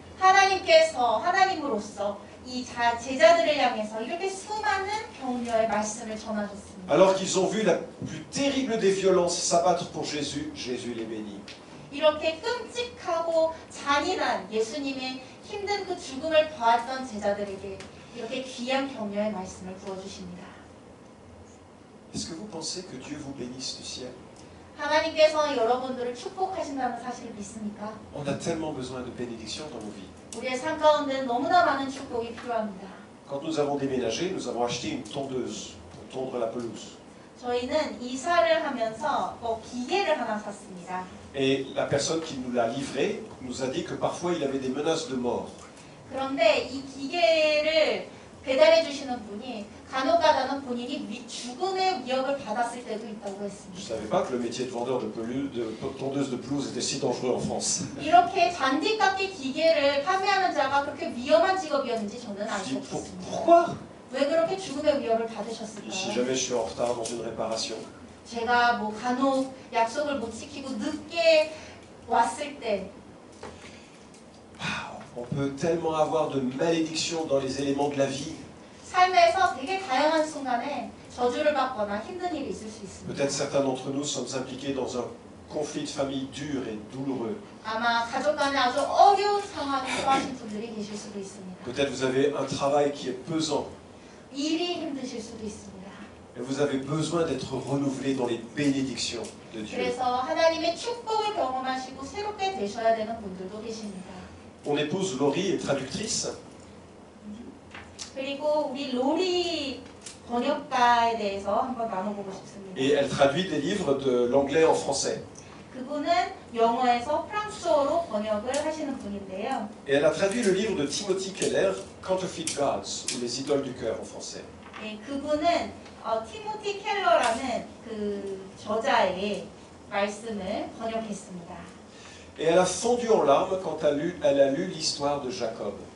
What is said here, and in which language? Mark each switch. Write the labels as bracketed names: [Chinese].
[Korean] 하나님께서 하나님으로서 이 제자들을 향해서 이렇게 수많은 격려의 말씀을 전하셨습니다. [French] Alors qu'ils ont vu la plus terrible des violences s'abattre pour Jésus, Jésus les bénit. [Korean] 이렇게 끔찍하고 잔인한 예수님의 힘든 그 죽음을 보았던 제자들에게 이렇게 귀한 격려의 말씀을 부어주십니다. [French] Est-ce que vous pensez que Dieu vous bénisse du ciel? [Korean] 하나님께서 여러분들을 축복하신다는 사실을 믿습니까? [French] On a tellement besoin de bénédictions dans nos vies. [Korean] 우리의 삶 가운데 너무나 많은 축복이 필요합니다. [French] Quand nous avons déménagé, nous avons acheté une tondeuse pour tondre la pelouse. [Korean] 저희는 이사를 하면서 기계를 하나 샀습니다. [French] Et la personne qui nous l'a livré nous a dit que parfois il avait des menaces de mort. [Korean] 그런데 이 기계를 배달해 주시는 분이 간혹가다는 본인이 죽음의 위협을 받았을 때도 있다고 했습니다. [French] Je savais pas que le métier de vendeur de pelouse de tondeuse de pelouse était si dangereux en France. [Korean] 이렇게 잔디깎이 기계를 판매하는 자가 그렇게 위험한 직업이었는지 저는 알고 있습니다. [French] Pourquoi? [Korean] 왜 그렇게 죽음의 위협을 받으셨을까요? [French] Si jamais je suis en retard dans une réparation. [Korean] 제가 뭐 간혹 약속을 못 지키고 늦게 왔을 때. [French] On peut tellement avoir de malédictions dans les éléments de la vie. [Korean] 삶에서 되게 다양한 순간에 저주를 받거나 힘든 일이 있을 수 있습니다. [French] Peut-être certains d'entre nous sommes impliqués dans un conflit de famille dur et douloureux. [Korean] 아마 가족 간에 아주 어려운 상황에 처하신 분들이 계실 수도 있습니다. [French] Peut-être vous avez un travail qui est pesant. [Korean] 일이 힘드실 수도 있습니다. [French] Et vous avez besoin d'être renouvelé dans les bénédictions de Dieu. [Korean] 그래서 하나님의 축복을 경험하시고 새롭게 되셔야 되는 분들도 계십니다. [French] Mon épouse Laurie est traductrice. [Korean] 그리고 우리 로리 번역가에 대해서 한번 나눠보고 싶습니다. [French] Et elle traduit des livres de l'anglais en français. [Korean] 그분은 영어에서 프랑스어로 번역을 하시는 분인데요. [French] Et elle a traduit le livre de Timothy Keller, Counterfeit Gods, ou les idoles du cœur en français. [Korean] 네, 그분은 티모티 켈러라는 그 저자의 말씀을 번역했습니다. [French] Et elle a fondu en larmes quand elle a lu l'histoire de Jacob.